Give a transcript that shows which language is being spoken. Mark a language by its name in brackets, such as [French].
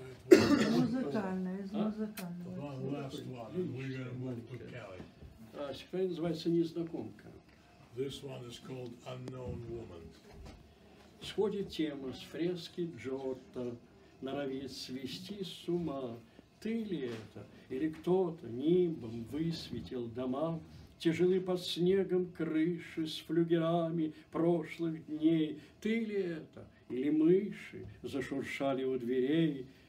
[Russian] Музыкальную, из музыкального. [English] One last one, and we're going to move to Kelly. [Russian] Теперь называется «Незнакомка». [English] This one is called «Unknown Woman». [Russian] Сходит тема с фрески Джотто. Норовит свести с ума, ты ли это, или кто-то нимбом высветил дома, тяжелы под снегом крыши с флюгерами прошлых дней, ты ли это, или мыши зашуршали у дверей,